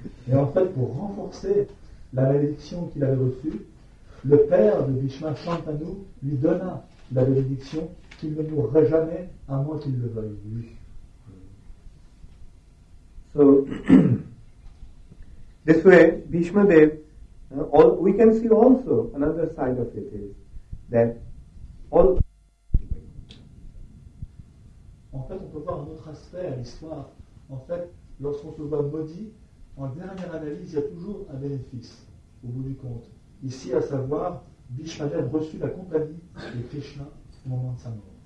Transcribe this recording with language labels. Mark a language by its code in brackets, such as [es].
[fr] Et en fait, pour renforcer la malédiction qu'il avait reçue, le père de Bhishma, Shantanu, lui donna la bénédiction qu'il ne mourrait jamais à moins qu'il le veuille. Lui. [en] So, this way, Bhishma Dev, we can see also another side of it is that all. [fr] En fait, on peut voir un autre aspect à l'histoire. En fait, lorsqu'on se voit maudit, en dernière analyse, il y a toujours un bénéfice, au bout du compte. Ici, à savoir, Bhishmadev reçut la compagnie de Krishna au moment de sa mort.